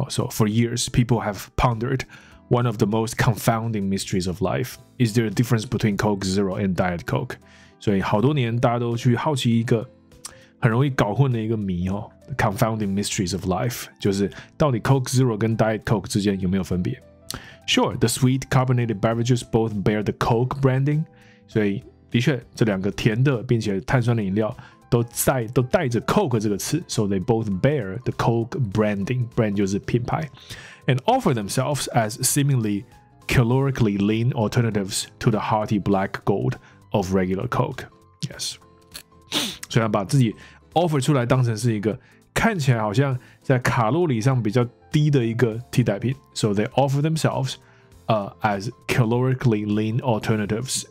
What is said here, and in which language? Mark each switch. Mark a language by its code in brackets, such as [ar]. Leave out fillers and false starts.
[en] So for years people have pondered one of the most confounding mysteries of life: is there a difference between Coke Zero and Diet Coke？ [zh] 所以好多年大家都去好奇一个很容易搞混的一个谜，哦， [en] confounding mysteries of life， [zh] 就是到底 Coke Zero 跟 Diet Coke 之间有没有分别。 [en] Sure, the sweet carbonated beverages both bear the Coke branding. [zh] 所以的确这两个甜的并且碳酸的饮料都带着 Coke 这个词。 [en] So they both bear the Coke branding. Brand [zh] 就是品牌。 [en] And offer themselves as seemingly calorically lean alternatives to the hearty black gold of regular Coke. Yes. [zh] 所以把自己 offer 出来当成是一个看起来好像在卡路里上比较低的一个替代品。 [en] So they offer themselves as calorically lean alternatives.